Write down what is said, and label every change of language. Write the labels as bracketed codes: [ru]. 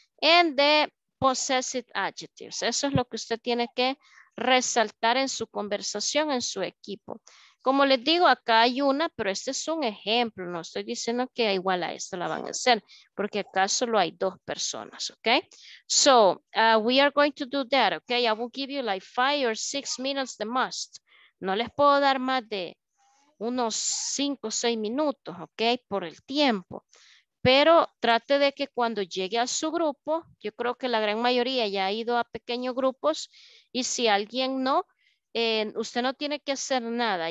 [en] And the possessive adjectives. [es] Eso es lo que usted tiene que resaltar en su conversación, en su equipo. Como les digo, acá hay una, pero este es un ejemplo. No estoy diciendo que igual a esto la van a hacer, porque acá solo hay dos personas, ¿ok? [en] So, we are going to do that, ¿ok? I will give you like 5 or 6 minutes the most. [es] No les puedo dar más de unos 5 o 6 minutos, ¿ok? Por el tiempo. Pero trate de que cuando llegue a su grupo, yo creo que la gran mayoría ya ha ido a pequeños grupos y si alguien no, usted no tiene que hacer nada.